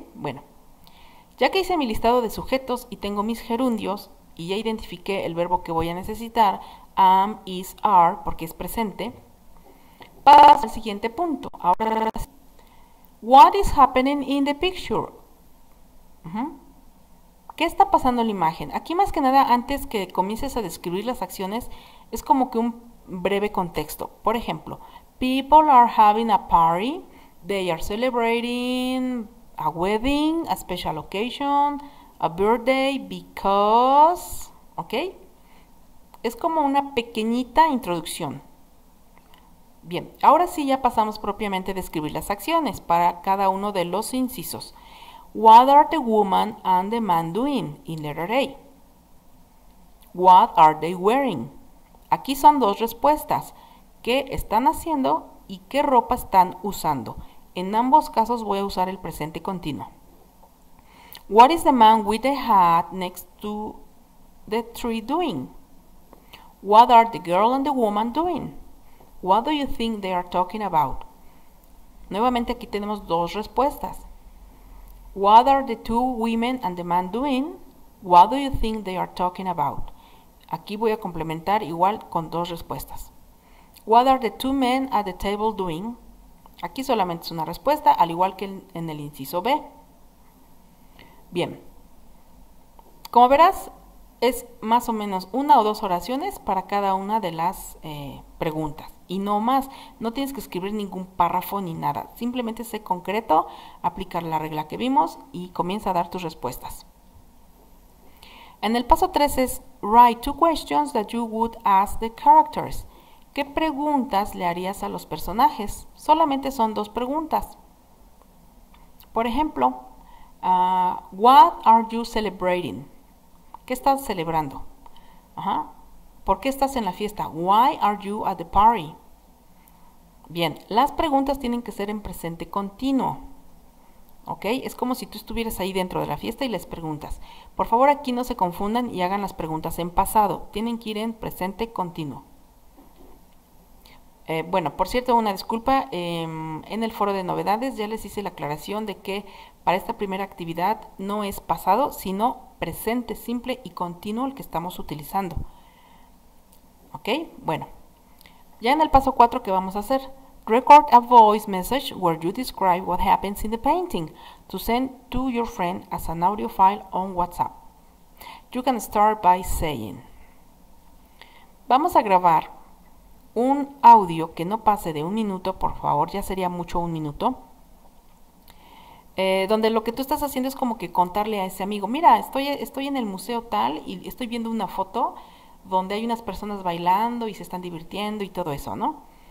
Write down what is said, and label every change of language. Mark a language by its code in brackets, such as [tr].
[es] Bueno, ya que hice mi listado de sujetos y tengo mis gerundios y ya identifiqué el verbo que voy a necesitar, am, is, are, porque es presente, paso al siguiente punto. Ahora, [en] what is happening in the picture? [es] ¿Qué está pasando en la imagen? Aquí más que nada, antes que comiences a describir las acciones, es como que un breve contexto. Por ejemplo, [en] people are having a party, they are celebrating a wedding, a special occasion, a birthday, because, ¿ok? [es] Es como una pequeñita introducción. Bien, ahora sí ya pasamos propiamente a describir las acciones para cada uno de los incisos. [en] What are the woman and the man doing in letter A? What are they wearing? [es] Aquí son dos respuestas. ¿Qué están haciendo y qué ropa están usando? En ambos casos voy a usar el presente continuo. [en] What is the man with the hat next to the tree doing? What are the girl and the woman doing? What do you think they are talking about? [es] Nuevamente aquí tenemos dos respuestas. [en] What are the two women and the man doing? What do you think they are talking about? [es] Aquí voy a complementar igual con dos respuestas. What are the two men at the table doing? Aquí solamente es una respuesta, al igual que en el inciso B. Bien, como verás, Es más o menos una o dos oraciones para cada una de las preguntas. Y no más, no tienes que escribir ningún párrafo ni nada. Simplemente sé concreto, aplicar la regla que vimos y comienza a dar tus respuestas. En el paso 3 es [en] Write two questions that you would ask the characters. [es] ¿Qué preguntas le harías a los personajes? Solamente son dos preguntas. Por ejemplo, [en] what are you celebrating? [es] ¿Qué estás celebrando? ¿Por qué estás en la fiesta? [en] Why are you at the party? [es] Bien, las preguntas tienen que ser en presente continuo. ¿Ok? Es como si tú estuvieras ahí dentro de la fiesta y les preguntas. Por favor, aquí no se confundan y hagan las preguntas en pasado. Tienen que ir en presente continuo. Bueno, por cierto, una disculpa. En el foro de novedades ya les hice la aclaración de que para esta primera actividad no es pasado, sino presente simple y continuo el que estamos utilizando. ¿Ok? Bueno, ya en el paso 4, ¿qué vamos a hacer? [en] Record a voice message where you describe what happens in the painting to send to your friend as an audio file on WhatsApp. You can start by saying. [es] Vamos a grabar un audio que no pase de un minuto, por favor, ya sería mucho un minuto. Donde lo que tú estás haciendo es como que contarle a ese amigo, mira, estoy en el museo tal y estoy viendo una foto donde hay unas personas bailando y se están divirtiendo y todo eso, ¿no?